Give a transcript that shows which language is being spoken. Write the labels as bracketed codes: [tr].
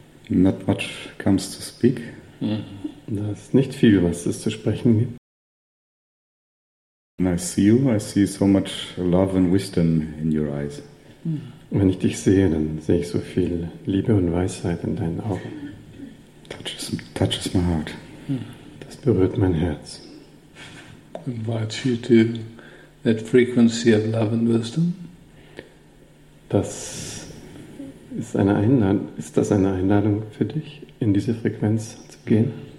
[en] Not much comes to speak. [de] Da ist nicht viel, was es zu sprechen gibt. [en] When I see you, I see so much love and wisdom in your eyes. [de] Wenn ich dich sehe, dann sehe ich so viel Liebe und Weisheit in deinen Augen. [en] Touches my heart. [de] Das berührt mein Herz. [en] I invite you to that frequency of love and wisdom. [de] Ist das eine Einladung für dich, in diese Frequenz zu gehen?